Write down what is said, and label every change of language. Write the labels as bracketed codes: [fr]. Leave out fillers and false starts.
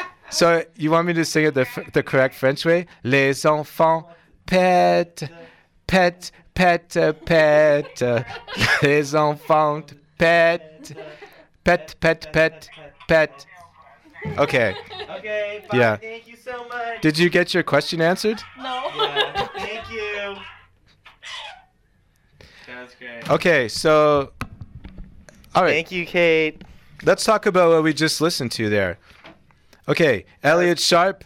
[en] So you want me to sing it the correct French way? [fr] Les enfants pètent, pètent, pètent, pètent. Les enfants pètent, pètent, pètent, pètent, pètent. [en] Okay. Okay, bye. Thank you so much. Did you get your question answered? No. Yeah, thank you. Okay, so, all right. Thank you, Kate. Let's talk about what we just listened to there. Okay, Elliot Sharp.